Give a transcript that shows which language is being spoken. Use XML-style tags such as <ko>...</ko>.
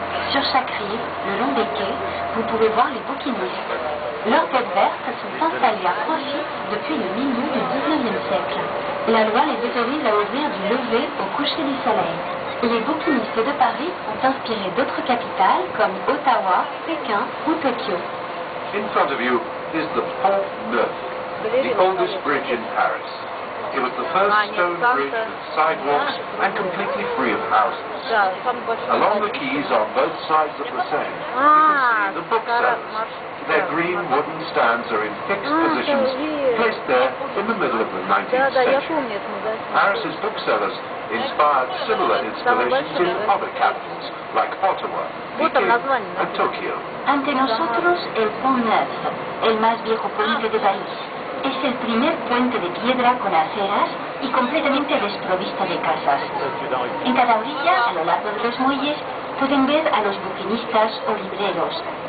<fr>Sur chaque rive, le long des quais, vous pouvez voir les bouquinistes. Leurs têtes vertes sont installées à profit depuis le milieu du 19e siècle. La loi les autorise à ouvrir du lever au coucher du soleil. Les bouquinistes de Paris ont inspiré d'autres capitales comme Ottawa, Pékin ou Tokyo.</fr> <en>In front of you is the Pont Neuf, the oldest bridge in Paris. It was the first stone bridge with sidewalks and completely free of houses. Along the quays on both sides of the Seine, you can see the booksellers. Their green wooden stands are in fixed positions, placed there in the middle of the 19th century. Paris's booksellers inspired similar installations in other capitals, like Ottawa, Pekin, and Tokyo.</en> <es>Ante nosotros, el Pont Neuf, el más viejo puente de París. Es el primer puente de piedra con aceras y completamente desprovisto de casas. En cada orilla, a lo largo de los muelles, pueden ver a los buquinistas o libreros.</es>